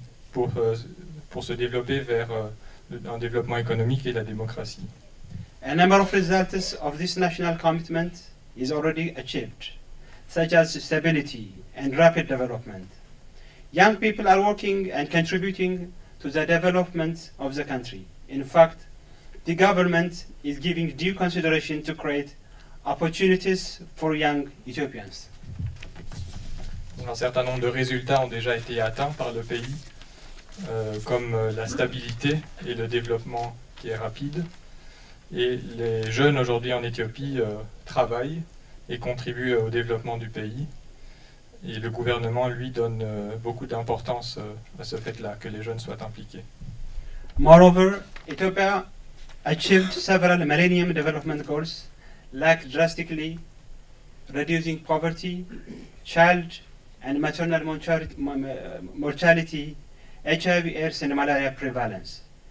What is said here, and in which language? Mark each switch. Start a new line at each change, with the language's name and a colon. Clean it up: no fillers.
French: Pour se développer vers un développement économique et la démocratie.
English: A number of results of this national commitment is already achieved, such as stability and rapid development. Young people are working and contributing to the development of the country. In fact, the government is giving due consideration to create opportunities for young Ethiopians.
French: Un certain nombre de résultats ont déjà été atteints par le pays, comme la stabilité et le développement qui est rapide. Et les jeunes aujourd'hui en Éthiopie travaillent et contribuent au développement du pays. Et le gouvernement, lui, donne beaucoup d'importance à ce fait-là, que les jeunes soient impliqués.
English: Moreover, Ethiopia achieved several millennium development goals, like drastically reducing poverty, child and maternal mortality, HIV, AIDS and malaria prevalence.